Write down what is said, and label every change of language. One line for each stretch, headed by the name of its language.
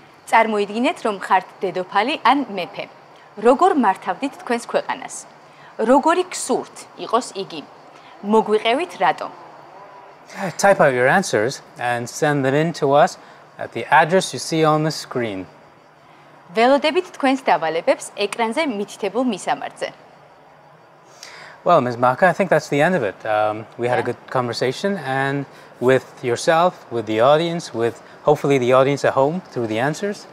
Georgian: წარმოიდგინეთ, რომ ხართ დედოფალი ან მეფე. Როგორ მართავდით თქვენს ქვეყანას? Როგორი ქსურთ იყოს იგი? მოგვიყევით რატო?
English: Type out your answers and send them in to us at the address you see on the screen.
Georgian: ველოდებით თქვენს დავალებებს ეკრანზე მითითებულ მისამართზე.
English: Well, Ms. Maka, I think that's the end of it. We had a good conversation, and with yourself, with the audience, with hopefully the audience at home through the answers.